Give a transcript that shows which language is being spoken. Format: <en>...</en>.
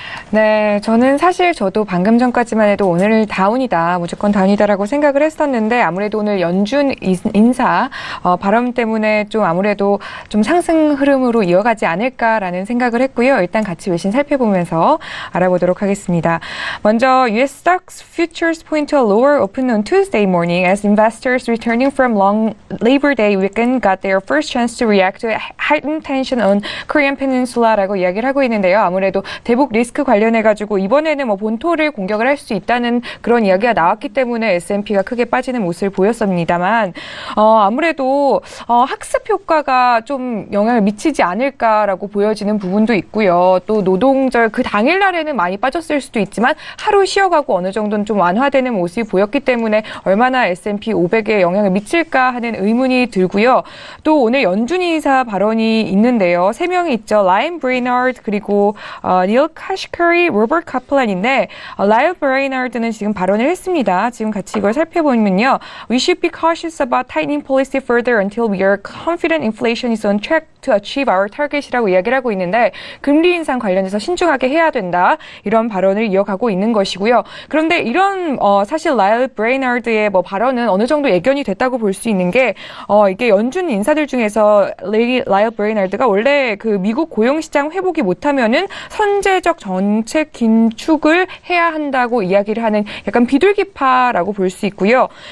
<ko>네, 저는 사실 저도 방금 전까지만 해도 오늘 다운이다, 무조건 다운이다라고 생각을 했었는데 아무래도 오늘 연준 인사 발언 바람 때문에 좀 아무래도 좀 상승 흐름으로 이어가지 않을까라는 생각을 했고요. 일단 같이 외신 살펴보면서 알아보도록 하겠습니다.</ko> <en>먼저 US stocks futures point to a lower open on Tuesday morning as investors returning from long Labor Day weekend got their first chance to react to heightened tension on Korean Peninsula라고</en> <ko>이야기를 하고 있는데요. 아무래도 대북 리스크 관련해가지고 이번에는 뭐 본토를 공격을 할 수 있다는 그런 이야기가 나왔기 때문에 S&P가 크게 빠지는 모습을 보였습니다만 아무래도 학습 효과가 좀 영향을 미치지 않을까라고 보여지는 부분도 있고요. 또 노동절 그 당일날에는 많이 빠졌을 수도 있지만 하루 쉬어가고 어느 정도는 좀 완화되는 모습이 보였기 때문에 얼마나 S&P 500에 영향을 미칠까 하는 의문이 들고요. 또 오늘 연준 이사 발언이 있는데요. 세 명이 있죠. 라인 브레이너드 그리고 닐 카시커리, 로버트 카플란인데 라인 브레이너드는 지금 발언을 했습니다. 지금 같이 이걸 살펴보면요.</ko> <en>We should be cautious about tightening policy further until we are confident inflation is on track to achieve our target이라고</en> <ko>이야기를 하고 있는데 금리 인상 관련해서 신중하게 해야 된다. 이런 발언을 이어가고 있는 것이고요. 그런데 이런 사실 라일 브레이너드의 뭐 발언은 어느 정도 예견이 됐다고 볼 수 있는 게 이게 연준 인사들 중에서 라일 브레이너드가 원래 그 미국 고용시장 회복이 못하면은 선제적 정책 긴축을 해야 한다고 이야기를 하는 약간 비둘기파라고 볼 수 있고요.</ko>